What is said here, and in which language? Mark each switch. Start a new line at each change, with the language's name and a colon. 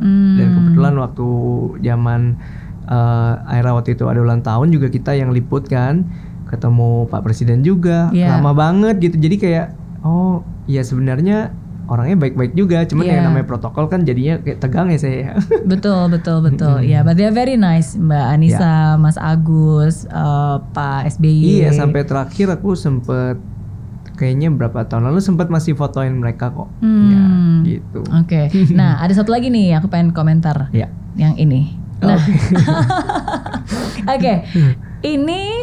Indonesian: Dan kebetulan waktu zaman Aira waktu itu ada ulang tahun juga kita yang liput kan, ketemu Pak Presiden juga. Yeah. Lama banget gitu. Jadi kayak oh ya sebenarnya orangnya baik-baik juga, cuman yeah. yang namanya protokol kan jadinya kayak tegang ya saya. Betul, betul, betul. Mm-hmm.
English: Ya, yeah, but they are very nice, Mbak Anissa, yeah.
Indonesian: Mas Agus, Pak SBY. Iya, yeah, sampai terakhir aku sempet kayaknya berapa tahun lalu sempet masih fotoin mereka kok. Ya, gitu. Oke. Okay. Nah, ada satu lagi nih aku pengen komentar. Iya. Yeah. Yang ini. Nah. Oke. Okay. Okay. Ini.